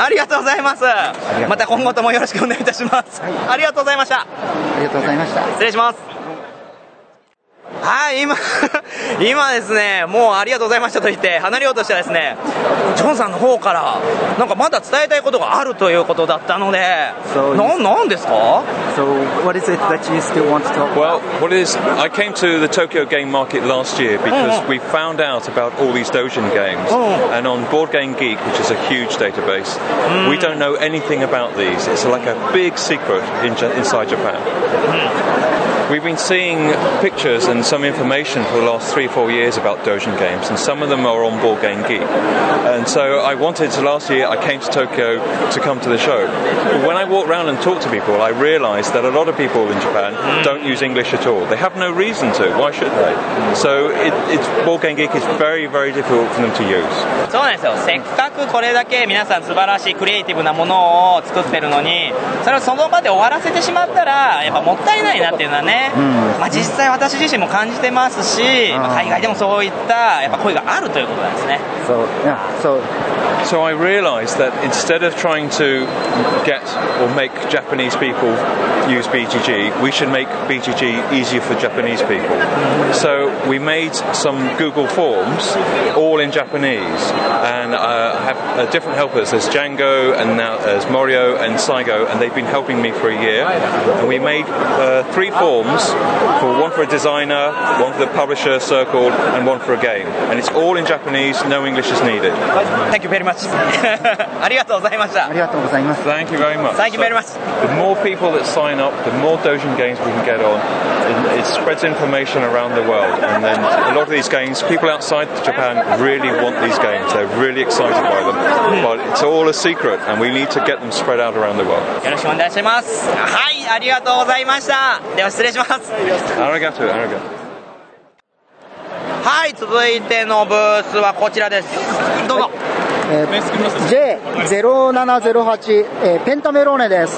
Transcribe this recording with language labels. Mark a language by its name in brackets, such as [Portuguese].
[Japanese] ありがとうございます。また今後ともよろしくお願いいたします。ありがとうございました。ありがとうございました。失礼します。はい、今ですね、もうありがとうございましたと言って離れようとしてですね、ジョンさんの方からなんかまだ伝えたいことがあるということだったので、何ですか？ [English] So what is it that you still want to talk about? Well, what is I came to the Tokyo Game Market last year because we found out about all these doujin games, and on Board Game Geek, which is a huge database, we don't know anything about these. It's like a big secret inside Japan. We've been seeing pictures and some information for the last 3-4 years about doujin games, and some of them are on Board Game Geek. And so I wanted to, last year I came to Tokyo to come to the show. But when I walked around and talked to people, I realized that a lot of people in Japan don't use English at all. They have no reason to. Why should they? So it's Board Game Geek is very, very difficult for them to use. [Japanese] そうなんですよ。せっかくこれだけ皆さん素晴らしいクリエイティブなものを作ってるのに、それをその場で終わらせてしまったら、やっぱもったいないなっていうのはね。まあ実際私自身も感じてますし、海外でもそういったやっぱ声があるということなんですね。 [English] So, yeah, so. So I realized that instead of trying to get or make Japanese people use BGG, we should make BGG easier for Japanese people. So we made some Google Forms, all in Japanese, and I have different helpers. There's Django, and now there's Morio and Saigo, and they've been helping me for a year. And we made three forms, for one for a designer, one for the publisher circle, and one for a game. And it's all in Japanese, no English is needed. Thank you very much. [Japanese] ありがとうございました。ありがとうございます。 [English] Thank you very much. Thank you very much. The more people that sign up, the more doujin games we can get on, it spreads information around the world. And then a lot of these games, people outside Japan really want these games. They're really excited by them. But it's all a secret, and we need to get them spread out around the world. [Japanese] よろしくお願いします。はい、ありがとうございました。では失礼します。ありがとう、ありがとう。はい、続いてのブースはこちらです。どうぞ。 J0708、ペンタメローネです。